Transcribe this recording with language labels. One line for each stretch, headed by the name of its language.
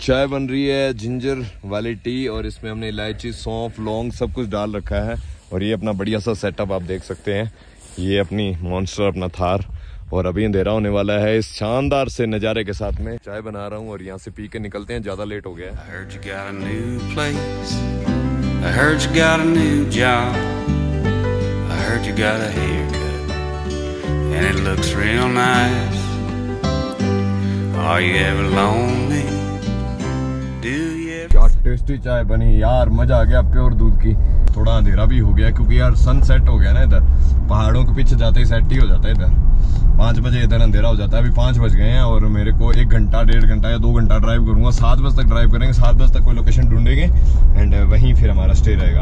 Hindi: चाय बन रही है जिंजर वाली टी, और इसमें हमने इलायची सौंफ लौंग सब कुछ डाल रखा है। और ये अपना बढ़िया सा सेटअप आप देख सकते हैं, ये अपनी मॉन्स्टर अपना थार, और अभी अंधेरा होने वाला है। इस शानदार से नजारे के साथ में चाय बना रहा हूँ और यहाँ से पी के निकलते हैं, ज्यादा लेट हो गया।
English: I heard you got a new place. I heard you got a new job. I heard you got a haircut and it looks real nice. Are you ever lonely? Do you ever...
Hindi: क्या tasty चाय बनी यार, मजा आ गया pure दूध की। थोड़ा अंधेरा भी हो गया क्योंकि यार सनसेट हो गया ना, इधर पहाड़ों के पीछे जाते ही सेट ही हो जाता है, इधर 5 बजे इधर अंधेरा हो जाता है। अभी 5 बज गए हैं और मेरे को 1 घंटा 1.5 घंटा या 2 घंटा ड्राइव करूंगा, 7 बजे तक ड्राइव करेंगे, 7 बजे तक कोई लोकेशन ढूंढेंगे एंड वहीं फिर हमारा स्टे रहेगा।